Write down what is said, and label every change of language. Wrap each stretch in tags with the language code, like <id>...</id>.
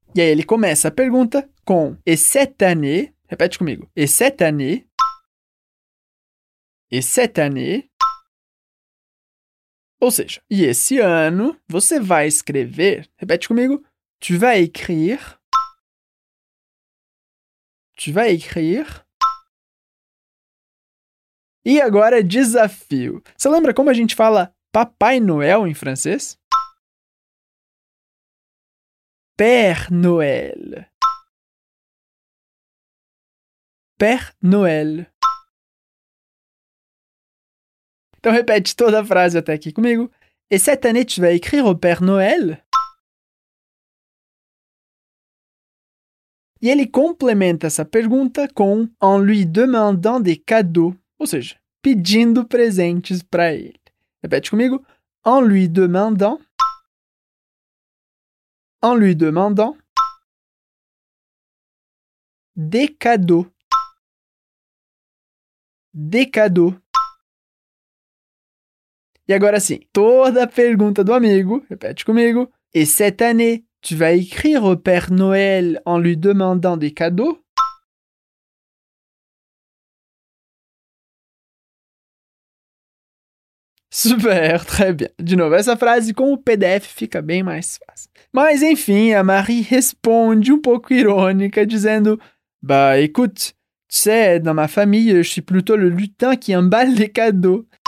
<pt>E aí ele começa a pergunta com</pt> <fr>et cette année,</fr> <pt>repete comigo, et cette année, et cette année. Ou seja, e esse ano você vai escrever, repete comigo,</pt> <fr>tu vas écrire, tu vas écrire.</fr> <pt>E agora desafio. Você lembra como a gente fala Papai Noel em francês?</pt> <fr>Père Noël. Père Noël.</fr> <pt>Então repete toda a frase até aqui comigo.</pt> <fr>Et cette année tu vas écrire au Père Noël?</fr> <pt>E ele complementa essa pergunta com</pt> <fr>en lui demandant des cadeaux,</fr> <pt>ou seja, pedindo presentes para ele. Repete comigo,</pt> <fr>en lui demandant, en lui demandant, des cadeaux, des cadeaux.</fr> <pt>E agora sim, toda a pergunta do amigo, repete comigo,</pt> <fr>et cette année, tu vas écrire au Père Noël en lui demandant des cadeaux? Super, très bien.</fr> <pt>De novo, essa frase com o PDF fica bem mais fácil. Mas, enfim, a Marie responde um pouco irônica, dizendo</pt> <fr>bah, écoute, tu sais, dans ma famille, je suis plutôt le lutin qui emballe les cadeaux.</fr>